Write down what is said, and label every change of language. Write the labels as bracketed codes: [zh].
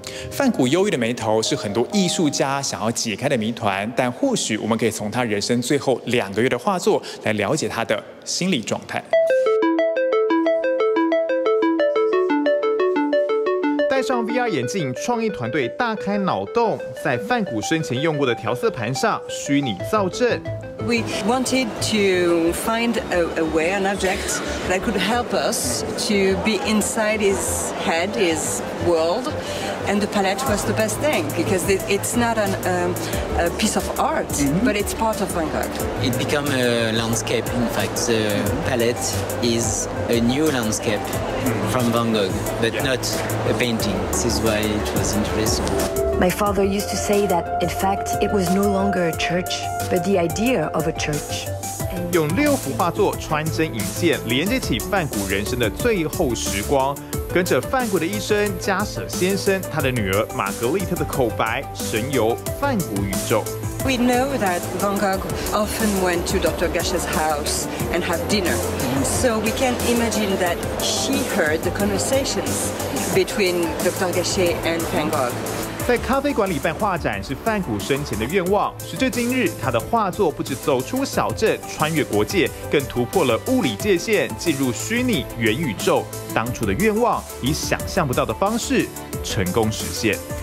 [zh] 梵谷忧郁的眉头是很多艺术家想要解开的谜团，但或许我们可以从他人生最后两个月的画作来了解他的心理状态。戴上 VR 眼镜，创意团队大开脑洞，在梵谷生前用过的调色盘上虚拟造阵。 [en] We wanted to find a way, an object that could help us to be inside his head, his world, and the palette was the best thing because it's not a piece of art, but it's part of Van Gogh. It became a landscape. In fact, the palette is a new landscape from Van Gogh, but not a painting. This is why it was interesting. My father used to say that, in fact, it was no longer a church, but the idea of a church. [zh] 用六幅画作穿针引线，连接起梵谷人生的最后时光。跟着梵谷的医生加舍先生，他的女儿玛格丽特的口白，神游梵谷宇宙。 [en] We know that Van Gogh often went to Dr. Gash's house and had dinner. So we can imagine that she heard the conversations between Dr. Gash and Van Gogh. [zh] 在咖啡馆里办画展是梵谷生前的愿望。时至今日，他的画作不止走出小镇，穿越国界，更突破了物理界限，进入虚拟元宇宙。当初的愿望以想象不到的方式成功实现。